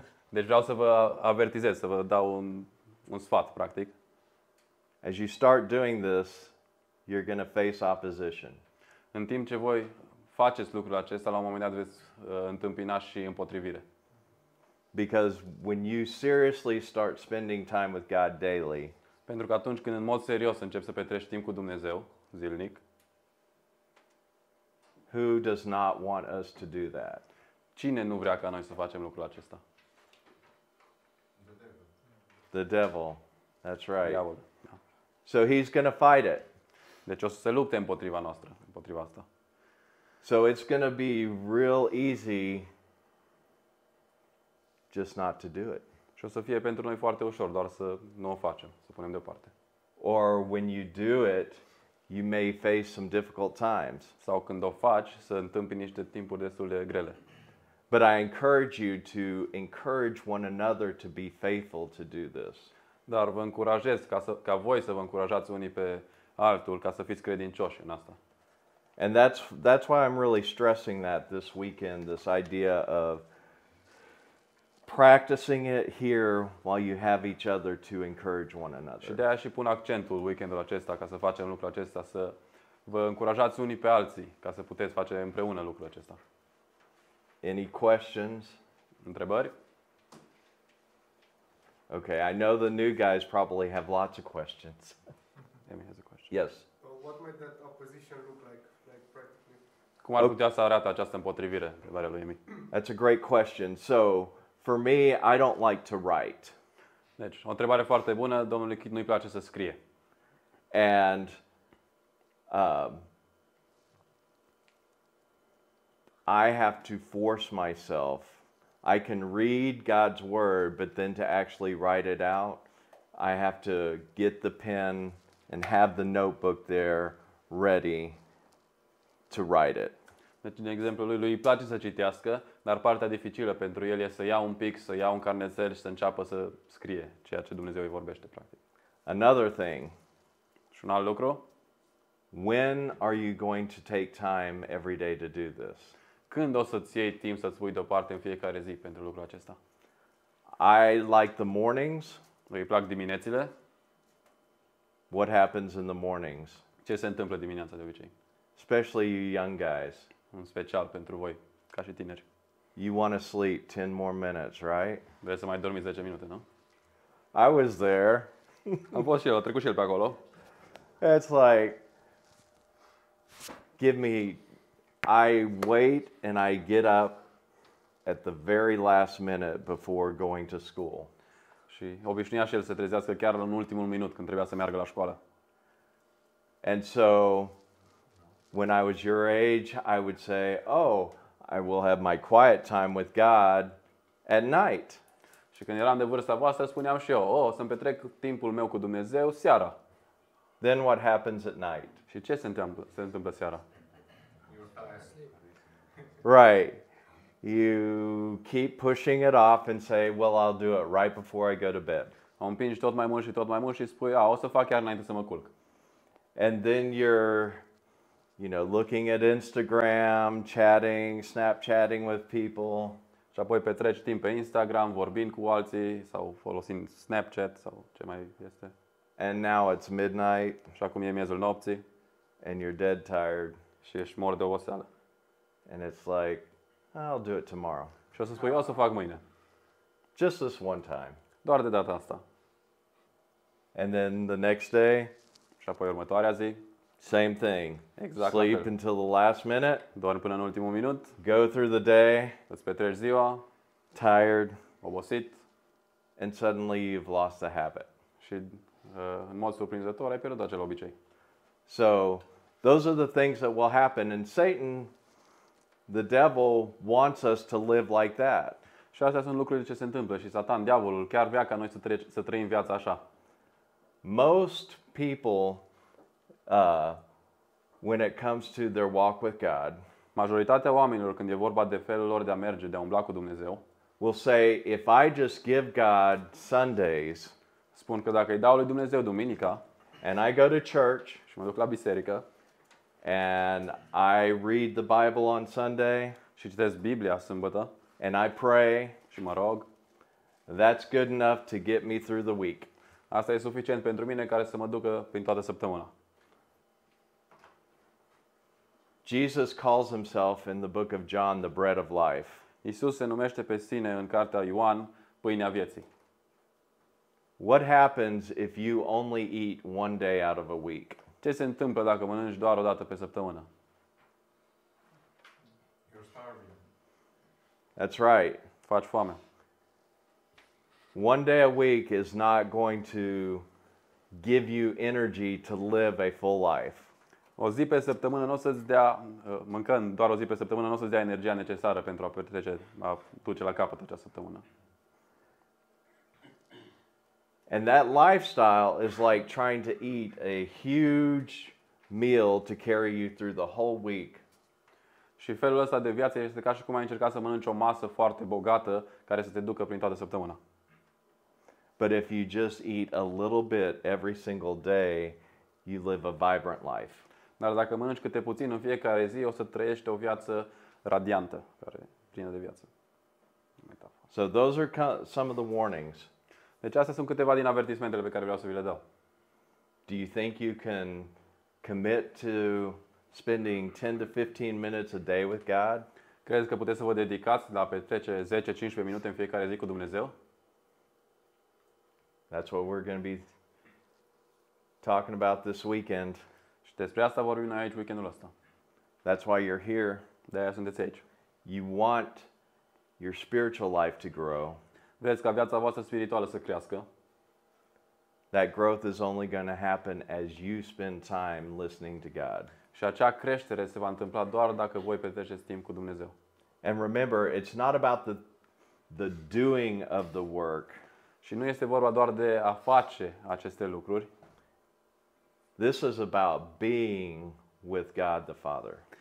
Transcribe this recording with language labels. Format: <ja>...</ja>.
<ro>Deci vreau să vă avertizez, să vă dau un sfat practic.</ro> <en>As you start doing this, you're going to face opposition.</en> <ro>În timp ce voi faceți lucrul acesta, la un moment dat veți întâmpina și împotrivire.</ro> <en>Because when you seriously start spending time with God daily,</en> <ro>pentru că atunci când în mod serios începi să petrești timp cu Dumnezeu zilnic,</ro> <en>Who does not want us to do that?</en> <ro>Cine nu vrea ca noi să facem lucrul acesta?</ro> <en>The devil. That's right.</en> <ro>Diavolul.</ro> <en>So he's going to fight it.</en> <ro>Deci o să se lupte împotriva noastră, împotriva asta.</ro> <en>So it's going to be real easy just not to do it.</en> <ro>Și o să fie pentru noi foarte ușor doar să nu o facem, să punem deoparte.</ro> <en>Or when you do it, you may face some difficult times.</en> <ro>Sau când o faci, să întâmpini niște timpuri destul de grele.</ro> <en>But I encourage you to encourage one another to be faithful to do this.</en> <ro>Dar vă încurajez ca voi să vă încurajați unii pe altul ca să fiți credincioși în asta.</ro> <en>And that's why I'm really stressing that this weekend, this idea of practicing it here while you have each other to encourage one another.</en> <ro>Și de-aia și pun accentul weekendul acesta ca să facem lucrul acesta, să vă încurajați unii pe alții ca să puteți face împreună lucrul acesta.</ro> <en>Any questions?</en> <ro>Întrebări?</ro> <en>Okay, I know the new guys probably have lots of questions. Amy has a question. Yes. What might that opposition look like practically?</en> <ro>Cum ar putea să arate această împotrivire? Întrebarea lui Amy.</ro> <en>That's a great question. So, for me, I don't like to write.</en> <ro>Deci, o întrebare foarte bună, domnule Kid, nu-i place să scrie.</ro> <en>And I have to force myself. I can read God's word, but then to actually write it out, I have to get the pen and have the notebook there ready to write it.</en> <ro>Deci, în exemplul lui, îi place să citească, dar partea dificilă pentru el e să ia un pic, să ia un carnețel și să înceapă să scrie ceea ce Dumnezeu îi vorbește, practic.</ro> <en>Another thing.</en> <ro>Și un alt lucru.</ro> <en>When are you going to take time every day to do this?</en> <ro>Când o să-ți iei timp să-ți pui deoparte în fiecare zi pentru lucrul acesta?</ro> <en>I like the mornings.</en> <ro>Îi plac diminețile.</ro> <en>What happens in the mornings?</en> <ro>Ce se întâmplă dimineața de obicei?</ro> <en>Especially you young guys.</en> <ro>În special pentru voi, ca și tineri.</ro> <en>You want to sleep 10 more minutes, right?</en> <ro>Vrei să mai dormi 10 minute, nu?</ro> <en>I was there.</en> <ro>Am fost și eu, a trecut și el pe acolo.</ro> <en>It's like, give me, I wait and I get up at the very last minute before going to school.</en> <ro>Și obișnuia și el să trezească chiar în ultimul minut când trebuia să meargă la școală.</ro> <en>And so, when I was your age, I would say, oh, I will have my quiet time with God at night.</en> <ro>Și când eram de vârsta voastră, spuneam și eu, oh, să-mi petrec timpul meu cu Dumnezeu seara.</ro> <en>Then what happens at night?</en> <ro>Și ce se întâmplă seara?</ro> <en>Right. You keep pushing it off and say, well, I'll do it right before I go to bed.</en> <ro>O împingi tot mai mult și tot mai mult și spui, ah, o să fac chiar înainte să mă culc.</ro> <en>And then you're, you know, looking at Instagram, chatting, Snapchatting with people.</en> <ro>Și apoi petreci timp pe Instagram, vorbind cu alții sau folosind Snapchat sau ce mai este.</ro> <en>And now it's midnight.</en> <ro>Și acum e miezul nopții.</ro> <en>And you're dead tired.</en> <ro>Și ești mor de oboseală.</ro> <en>And it's like, I'll do it tomorrow.</en> <ro>Și o să spui, o să fac mâine.</ro> <en>Just this one time.</en> <ro>Doar de data asta.</ro> <en>And then the next day.</en> <ro>Și apoi următoarea zi.</ro> <en>Same thing.</en> <ro>Exact.</ro> <en>Sleep until the last minute.</en> <ro>Dorm până în ultimul minut.</ro> <en>Go through the day.</en> <ro>Îți petreci ziua.</ro> <en>Tired.</en> <ro>Obosit.</ro> <en>And suddenly you've lost the habit.</en> <ro>Și în mod surprinzător ai pierdut acel obicei.</ro> <en>So, those are the things that will happen. And Satan, the devil, wants us to live like that.</en> <ro>Și astea sunt lucrurile ce se întâmplă. Și Satan, diavolul, chiar vrea ca noi să trăim viața așa.</ro> <en>Most people, when it comes to their walk with God,</en> <ro>majoritatea oamenilor când e vorba de felul lor de a merge, de a umbla cu Dumnezeu,</ro> <en>will say, if I just give God Sundays,</en> <ro>spun că dacă îi dau lui Dumnezeu duminica,</ro> <en>and I go to church,</en> <ro>și mă duc la biserică,</ro> <en>and I read the Bible on Sunday,</en> <ro>și citesc Biblia sâmbătă,</ro> <en>and I pray,</en> <ro>și mă rog,</ro> <en>that's good enough to get me through the week.</en> <ro>Asta e suficient pentru mine care să mă ducă prin toată săptămâna.</ro> <en>Jesus calls himself in the book of John the bread of life.</en> <ro>Iisus se numește pe sine în cartea Ioan pâinea vieții.</ro> <en>What happens if you only eat one day out of a week?</en> <ro>Ce se întâmplă dacă mănânci doar o dată pe săptămână?</ro> <en>That's right.</en> <ro>Faci foame.</ro> <en>One day a week is not going to give you energy to live a full life.</en> <ro>O zi pe săptămână nu o să-ți dea, mâncând doar o zi pe săptămână, nu o să-ți dea energia necesară pentru a petrece, a duce la capăt acea săptămână.</ro> <en>And that lifestyle is like trying to eat a huge meal to carry you through the whole week.</en> <ro>Și felul ăsta de viață este ca și cum ai încerca să mănânci o masă foarte bogată care să te ducă prin toată săptămâna.</ro> <en>But if you just eat a little bit every single day, you live a vibrant life.</en> <ro>Dar dacă mănânci câte puțin în fiecare zi, o să trăiești o viață radiantă, care plină de viață.</ro> <en>So those are some of the warnings.</en> <ro>Deci astea sunt câteva din avertismentele pe care vreau să vi le dau.</ro> <en>Do you think you can commit to spending 10 to 15 minutes a day with God?</en> <ro>Crezi că puteți să vă dedicați la petrece 10-15 minute în fiecare zi cu Dumnezeu?</ro> <en>That's what we're going to be talking about this weekend.</en> <ro>Și despre asta vorbim noi aici weekendul ăsta.</ro> <en>That's why you're here.</en> <ro>De-aia sunteți aici.</ro> <en>You want your spiritual life to grow.</en> <ro>Vreți ca viața voastră spirituală să crească.</ro> <en>That growth is only going to happen as you spend time listening to God.</en> <ro>Și acea creștere se va întâmpla doar dacă voi petreceți timp cu Dumnezeu.</ro> <en>And remember, it's not about the doing of the work.</en> <ro>Și nu este vorba doar de a face aceste lucruri.</ro> <en>This is about being with God the Father.</en>